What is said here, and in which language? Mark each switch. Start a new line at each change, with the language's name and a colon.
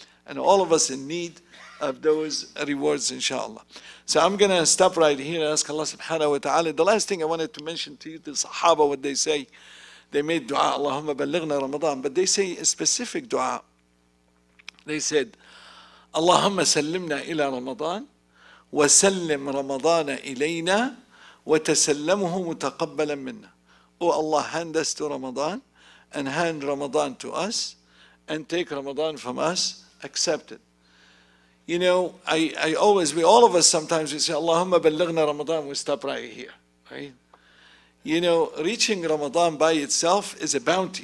English: And all of us in need of those rewards, inshallah. So I'm going to stop right here and ask Allah subhanahu wa ta'ala. The last thing I wanted to mention to you, the sahaba, what they say, they made dua,
Arabic: Allahumma balighna Ramadan.
English: But they say a specific dua. They said,
Arabic: Allahumma sallimna ila Ramadan, وسلم رمضان إلينا وتسلمه متقبلا منا.
English: Oh Allah, hand us to Ramadan and hand Ramadan to us and take Ramadan from us, accept it. You know, all of us sometimes we say,
Arabic: Allahumma balighna Ramadan,
English: we stop right here, right? You know, reaching Ramadan by itself is a bounty.